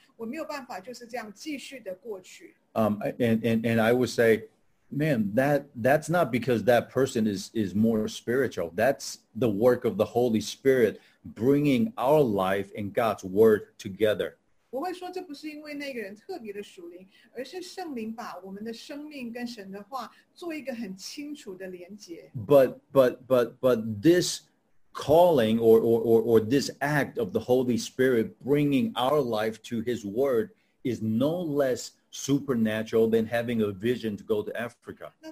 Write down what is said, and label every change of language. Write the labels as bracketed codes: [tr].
[zh] 但是另外有一些人，他们觉得读了大使命之后说，神啊，如果我的生命没有对你做出一些回应的话，我没有办法就是这样继续的过去。 [en] I would say, man, that's not because that person is more spiritual. That's the work of the Holy Spirit bringing our life and God's word together. [zh] 我会说这不是因为那个人特别的属灵，而是圣灵把我们的生命跟神的话做一个很清楚的连接。 [en] But this calling or this act of the Holy Spirit bringing our life to His word is no less supernatural than having a vision to go to Africa.